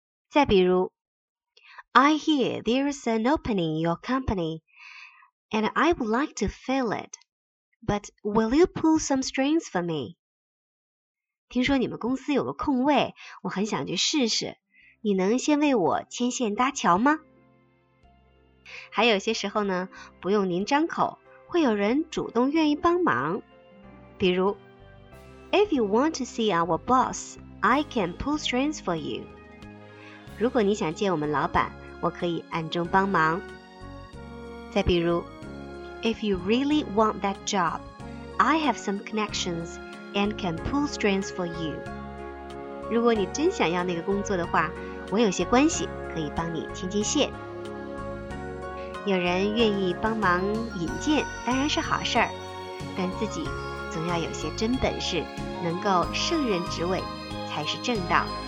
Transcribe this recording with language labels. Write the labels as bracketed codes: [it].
[zh] 再比如 [en] I hear there is an opening in your companyAnd I would like to fill it, but will you pull some strings for me? [zh] 听说你们公司有个空位，我很想去试试，你能先为我牵线搭桥吗？还有些时候呢，不用您张口，会有人主动愿意帮忙。比如 [en] If you want to see our boss, I can pull strings for you. [zh] 如果你想见我们老板，我可以暗中帮忙。再比如 [en] If you really want that job, I have some connections and can pull strings for you. [zh] 如果你真想要那个工作的话，我有些关系可以帮你牵牵线。有人愿意帮忙引荐当然是好事儿，但自己总要有些真本事，能够胜任职位才是正道。